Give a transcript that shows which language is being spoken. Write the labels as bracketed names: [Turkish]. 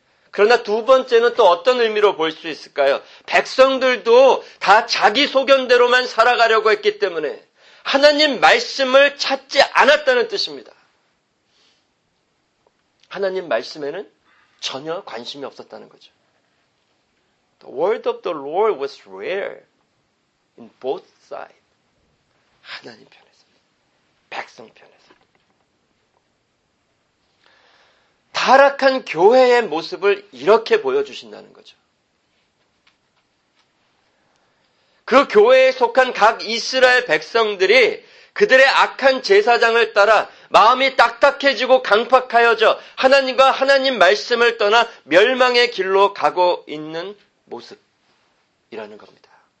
[Korean] 그러나 두 번째는 또 어떤 의미로 볼 수 있을까요? 백성들도 다 자기 소견대로만 살아가려고 했기 때문에 하나님 말씀을 찾지 않았다는 뜻입니다. 하나님 말씀에는 전혀 관심이 없었다는 거죠. [English] The word of the Lord was rare in both sides. [Korean] 하나님 편에서, 백성 편에서. 타락한 교회의 모습을 이렇게 보여주신다는 거죠. 그 교회에 속한 각 이스라엘 백성들이 그들의 악한 제사장을 따라 마음이 딱딱해지고 강팍하여져 하나님과 하나님 말씀을 떠나 멸망의 길로 가고 있는 모습이라는 겁니다.